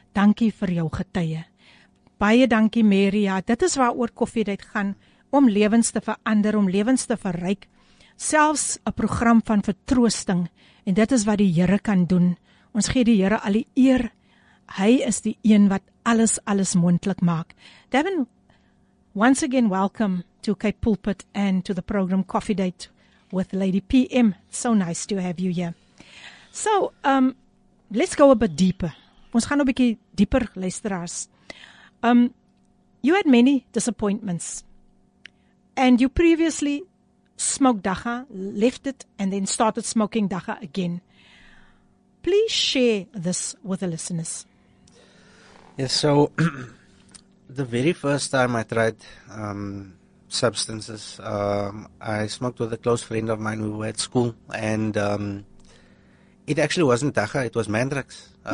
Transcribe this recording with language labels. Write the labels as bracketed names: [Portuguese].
[Afrikaans] Dankie vir jou getuie. Baie dankie Maria. Ja, dit is waaroor koffiedייט gaan, om lewens te verander, om lewens te verryk. Selfs 'n program van vertroosting, en dit is wat die Here kan doen. Ons gee die Here al die eer. Hy is die een wat alles moontlik maak. [English] Devin, once again, welcome to Cape Pulpit and to the program Coffee Date with Lady PM. So nice to have you here. So, let's go a bit deeper. [Afrikaans] Ons gaan 'n bietjie dieper, luisteraars. [English] You had many disappointments. And you previously smoked dagga, left it, and then started smoking dagga again. Please share this with the listeners. Yes, so the very first time I tried substances, I smoked with a close friend of mine. We were at school, and it actually wasn't dagga, it was mandrax.